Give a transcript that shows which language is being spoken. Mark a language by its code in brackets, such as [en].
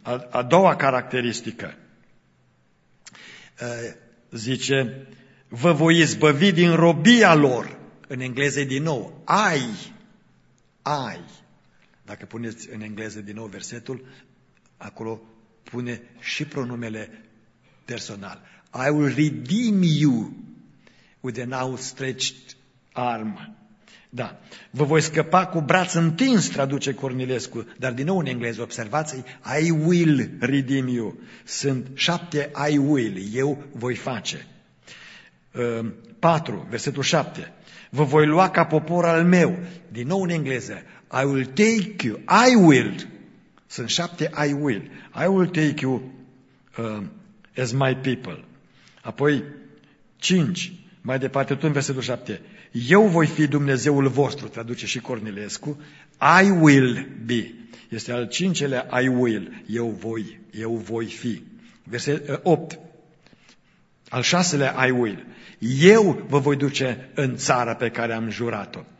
[ro] A doua caracteristică, zice, vă voi izbăvi din robia lor. În engleză din nou, [en] I. [ro] Dacă puneți în engleză din nou versetul, acolo pune și pronumele personal. [en] I will redeem you with an outstretched arm. [ro] Da. Vă voi scăpa cu braț întins, traduce Cornilescu, dar din nou în engleză, observați, [en] I will redeem you. [ro] Sunt 7 [en] I will, [ro] eu voi face. 4, versetul 7. Vă voi lua ca popor al meu, din nou în engleză, [en] I will take you, I will. [ro] Sunt 7 I will. [en] I will take you as my people. [ro] Apoi 5, mai departe tot în versetul 7. Eu voi fi Dumnezeul vostru, traduce și Cornilescu, [en] I will be. [ro] Este al cincelea [en] I will, [ro] eu voi fi. Verset 8, al șaselea [en] I will, [ro] eu vă voi duce în țara pe care am jurat-o.